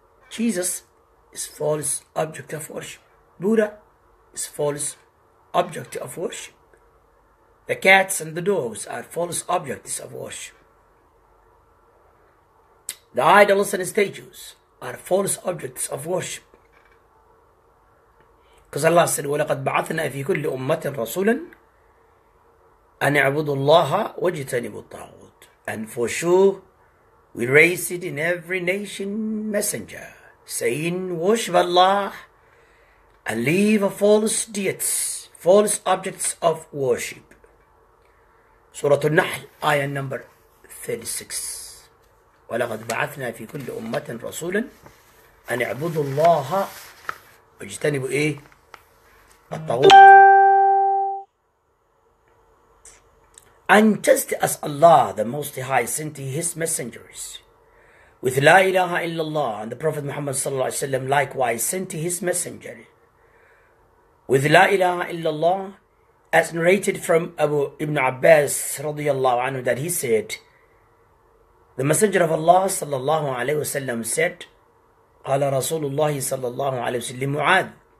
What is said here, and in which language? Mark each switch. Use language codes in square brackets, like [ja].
[en] Jesus is false object of worship. Buddha is false object of worship. The cats and the dogs are false objects of worship. The idols and statues are false objects of worship. Because Allah said, [ar] وَلَقَدْ بَعَثْنَا فِي كُلِّ أُمَّةٍ رَسُولًا أَنْ اعْبُدُوا اللَّهَ وَاجْتَنِبُوا الطَّاغُوتَ. [en] And for sure, we raise it in every nation messenger, saying, worship Allah, and leave a false deities, false objects of worship. Surah An-Nahl, ayah number 36. [ar] وَلَقَدْ بَعَثْنَا فِي كُلِّ أُمَّةٍ رَسُولًا أَنْ اعْبُدُوا اللَّهَ وَاجْتَنِبُوا إِيهِ الطَّاغُوتَ. [en] And just as Allah, the Most High, sent His messengers with La ilaha illallah, and the Prophet Muhammad sallallahu alaihi wasallam likewise sent to his messenger with La ilaha illallah, as narrated from Abu Ibn Abbas radiyallahu anhu, that he said, the Messenger of Allah sallallahu alaihi wasallam said, Qala Rasulullah sallallahu alaihi wasallam Mu'adh.